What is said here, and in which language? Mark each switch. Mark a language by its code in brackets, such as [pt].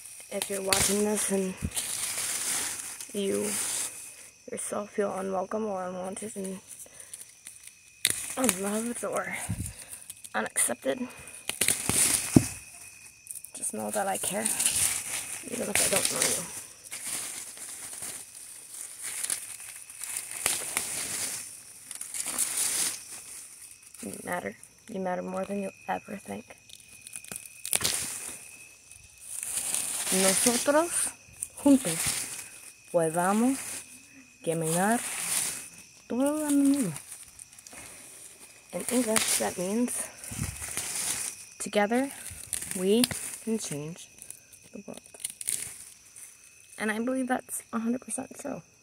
[en] If you're watching this and you yourself feel unwelcome or unwanted and unloved or unaccepted, just know that I care, even if I don't know you. You matter. You matter more than you'll ever think. [es] Nosotros juntos podemos caminar todo el mundo. [en] In English, that means together we can change the world. And I believe that's 100% true.